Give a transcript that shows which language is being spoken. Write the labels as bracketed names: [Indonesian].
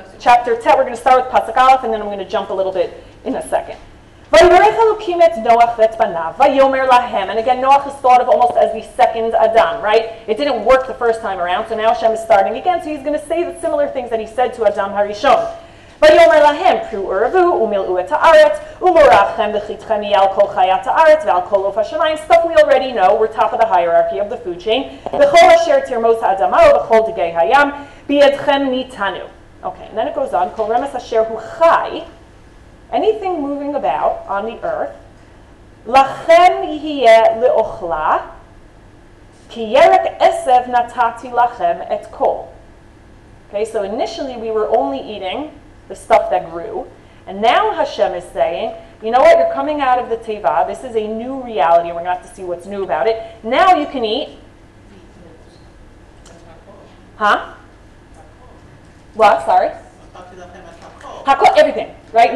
[English] Chapter 10, we're going to start with Pasuk Aleph, and then I'm going to jump a little bit in a second. [Hebrew] Vayorech Elokim et Noach et banav, vayomer lahem, [English] and again, Noah is thought of almost as the second Adam, right? It didn't work the first time around, so now Hashem is starting again, so he's going to say the similar things that he said to Adam HaRishon. [Hebrew] ויאמר להם, פרו ורבו, ומילאו את הארץ, ומרחם וחיתכם יהיה על כל חיית הארץ ועל כל עוף השמיים. [English] Stuff we already know, we're top of the hierarchy of the food chain. [Hebrew] וכל אשר תרמוס האדמה ובכל דגי הים, בידכם ניתנו. [English] Okay, and then it goes on, [Hebrew] כל רמס אשר הוא חי, [English] anything moving about on the earth, [Hebrew] לכם יהיה לאוכלה, כי ירק עשב נתתי לכם את כל. [English] Okay, so initially we were only eating the stuff that grew, and now Hashem is saying, you know what, you're coming out of the Teva, this is a new reality, we're going to have to see what's new about it. Now you can eat. Huh? What, sorry? Hakol, everything, right?